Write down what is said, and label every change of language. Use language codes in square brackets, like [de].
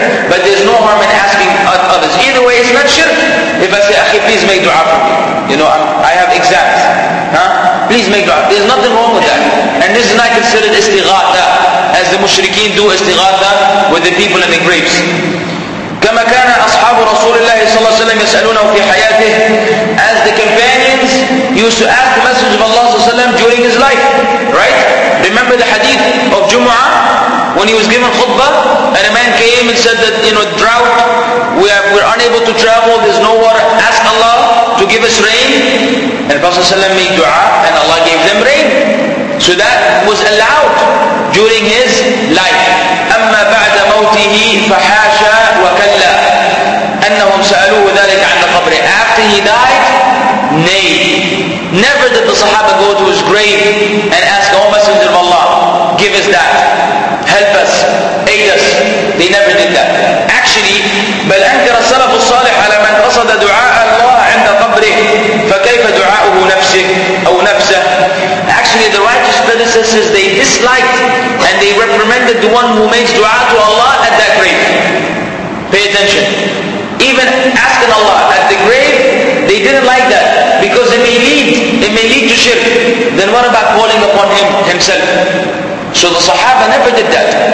[en] But there's no harm in asking others. Either way, it's not shirk. If I say, akhi, please make dua for me. You know, I have exams. Huh? Please make dua. There's nothing wrong with that. And this is not considered istighatha, as the mushrikeen do istighatha with the people in the graves. [ar] كما كان أصحاب رسول الله صلى الله عليه وسلم يسألونه في حياته. [en] As the companions used to ask the Messenger of Allah [ar] صلى الله عليه وسلم [en] during his life, right? Remember the hadith of Jumu'ah when he was given khutbah, and a man came and said that, you know, drought, we're unable to travel, there's no water, ask Allah to give us rain. And Prophet [ar] صلى الله عليه وسلم [en] made dua and Allah gave them rain. So that was allowed during his life. [ar] أما بعد موته فحاشا وكلا أنهم سألوه ذلك عند قبره. [en] After he died, nay. Never did the Sahaba go to his grave and ask, O Messenger of Allah, give us that. Help us. Aid us. They never did that. Actually, [ar] بل أنكر السلف الصالح على من قصد دعاء الله عند قبره فكيف دعاؤه نفسه أو نفسه. [en] Actually, the righteous predecessors, they disliked and they reprimanded the one who makes dua to Allah at that grave. Pay attention. Even asking Allah at the grave, they didn't like that because it may lead to shirk. Then what about calling upon him himself? So the Sahaba never did that.